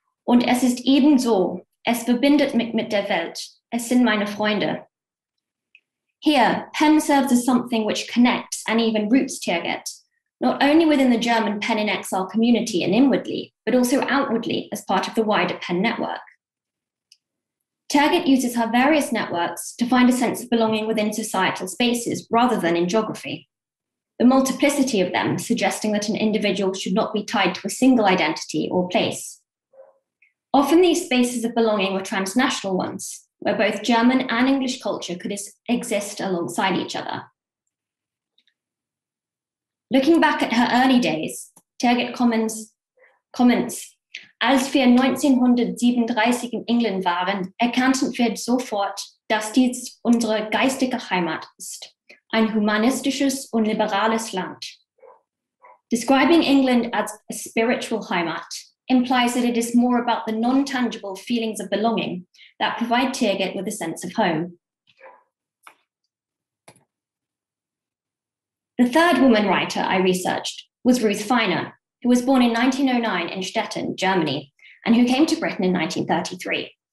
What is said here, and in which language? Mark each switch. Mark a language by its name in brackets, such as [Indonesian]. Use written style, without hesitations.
[German] Und es ist ebenso, es verbindet mich mit der Welt, es sind meine Freunde. [English] Here, PEN serves as something which connects and even roots Tergit, not only within the German PEN in exile community and inwardly, but also outwardly as part of the wider PEN network. Tergit uses her various networks to find a sense of belonging within societal spaces rather than in geography. The multiplicity of them suggesting that an individual should not be tied to a single identity or place. Often these spaces of belonging were transnational ones, where both German and English culture could exist alongside each other. Looking back at her early days, Tergit comments, [German] Als wir 1937 in England waren, erkannten wir sofort, dass dies unsere geistige Heimat ist, ein humanistisches und liberales Land. [English] Describing England as a spiritual Heimat implies that it is more about the non-tangible feelings of belonging that provide Tergit with a sense of home. The third woman writer I researched was Ruth Feiner, who was born in 1909 in Stettin, Germany, and who came to Britain in 1933.